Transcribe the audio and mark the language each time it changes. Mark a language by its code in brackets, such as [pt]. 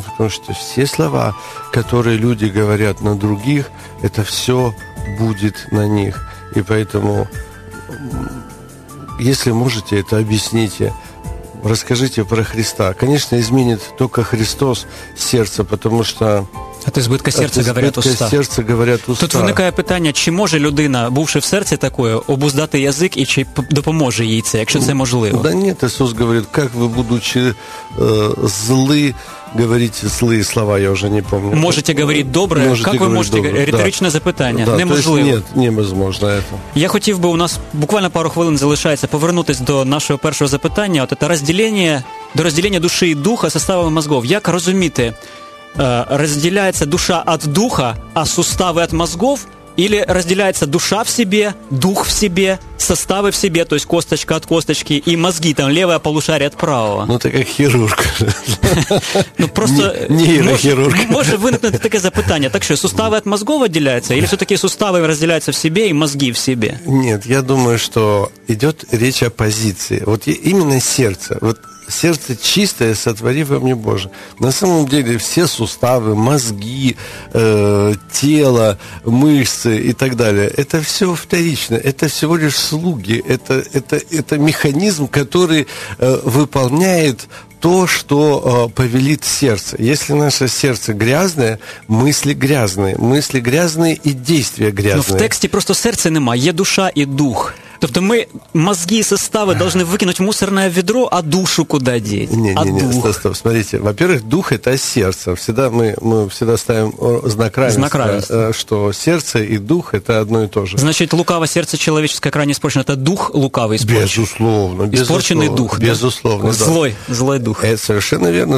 [ru] Потому что все слова, которые люди говорят на других, это все будет на них. И поэтому, если можете, это объясните, расскажите про Христа. Конечно, изменит только Христос сердце, потому что От избытка сердца говорят уста. [uk] Тут виникає питання, чи може людина, бувши в серці такою, обуздати язик, і чи допоможе їй це, якщо це можливо? [ru] Да [uk] ні, Ісус говорить, як ви, будучи зли, [ru] говорите злые слова, я уже не помню. Можете говорить добре, как вы можете добре. [uk] Риторичное запитання, да. Неможливо. [ru] Нет, невозможно это. [uk] Я хотів би, у нас буквально пару хвилин залишається, повернутись до нашого першого запитання, от это розділення, до розділення душі і духа [ru] составами мозгов. [uk] Як розуміти, розділяється душа від духа, а сустави від мозгов, или розділяється душа в себе, дух в себе, состави в себе, [ru] то есть косточка от косточки, и мозги, там, левое полушарие от правого. Ну, ты как хирург. Ну, просто... Нейрохирург. Может выникнуть такое запитание. Так что, суставы от мозгов отделяются? Или все-таки суставы разделяются в себе и мозги в себе? Нет, я думаю, что идет речь о позиции. Вот именно сердце. Вот сердце чистое, сотвори во мне Боже. На самом деле все суставы, мозги, тело, мышцы и так далее, это все вторично. Это всего лишь слуги, это механизм, который выполняет то, что повелит сердце. Если наше сердце грязное, мысли грязные. Мысли грязные и действия грязные. Но в тексте просто сердца [uk] нема, є [ru] душа и дух. [uk] Тобто ми мозги і состави повинні викинути в мусорне відро, а душу куди діти? Ні, стоп, [ru] смотрите. Во-первых, дух – это сердце. Всегда мы всегда ставим знак равенства, что сердце и дух – это одно и то же. Значит, лукаво сердце человеческое крайне испорчено. Это дух лукавый испорчен. Безусловно. Испорченный дух. Безусловно, да. Злой дух. Это совершенно верно.